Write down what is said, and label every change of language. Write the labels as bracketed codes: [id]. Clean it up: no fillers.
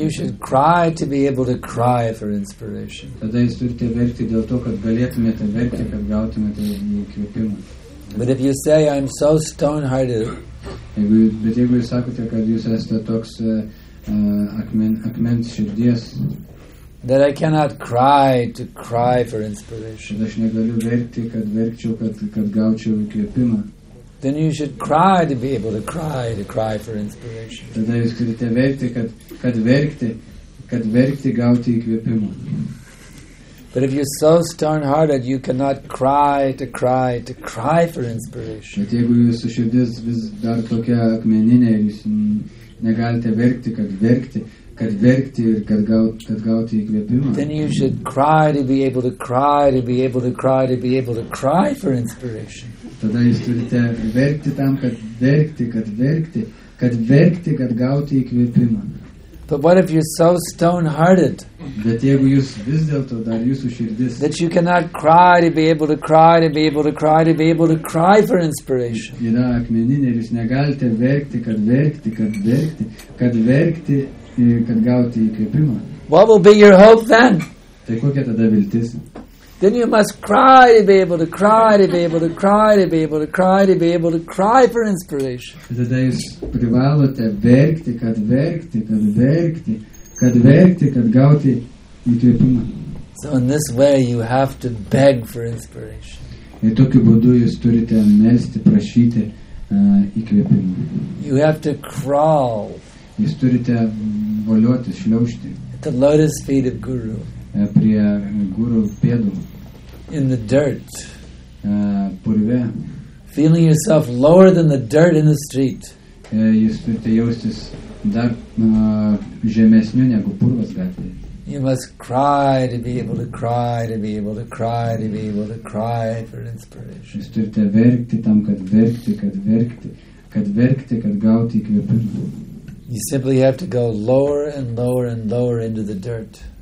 [en] Then you should cry to be able to cry for inspiration. [lt] Tada jūs turite verkti dėl to, kad galėtumėte verkti, kad gautumėte įkvėpimą. [en] But if you say I'm so stone-hearted, [lt] bet jeigu jūs sakote, kad jūs esate toks akmens širdies, [en] that I cannot cry for inspiration, [lt] aš negaliu verkti, kad verkčiau, kad gaučiau įkvėpimą, [en] then you should cry to be able to cry for inspiration. [lt] Tada jūs turite verkti, kad verkti gauti įkvėpimą. [en] But if you're so stone-hearted, you cannot cry for inspiration. [lt] Bet jeigu jūsų širdis vis dar tokia akmeninė, jūs negalite verkti, kad verkti ir kad gauti įkvėpimą. [en] Then you should cry to be able to cry, to be able to cry, to be able to cry for inspiration. [lt] Tada jūs turite verkti tam, kad verkti, kad verkti, kad gauti įkvėpimą. [en] But what if you're so stone-hearted? [lt] Bet jeigu jūs vis dėlto dar jūsų širdis. [en] That you cannot cry to be able to cry to be able to cry to be able to cry for inspiration. [lt] Yra akmeninė, jūs negalite verkti, kad verkti, kad verkti, kad verkti, kad gauti įkvėpimą. [en] What will be your hope then? [lt] Tai kokia tada viltis? [en] Then you must cry to be able to cry to be able to cry to be able to cry to be able to cry for inspiration. [lt] Tada jūs privalote verkti, kad verkti, kad verkti, kad verkti, kad gauti įkvėpimą. [en] So in this way you have to beg for inspiration. [lt] Ir tokiu būdu jūs turite melsti, prašyti įkvėpimą. [en] You have to crawl. [lt] Jūs turite voliotis, šliaužti. [en] At the lotus feet of Guru. [lt] Prie guru pėdų. [en] In the dirt. [lt] Purve. [en] Feeling yourself lower than the dirt in the street. [lt] Jūs turite jaustis dar žemesniu negu purvas gatvėje. [en] You must cry to be able to cry to be able to cry to be able to cry for inspiration. [lt] Jūs turite verkti tam, kad verkti, kad verkti, kad verkti, kad gauti įkvėpimą. [en] You simply have to go lower and lower and lower into the dirt.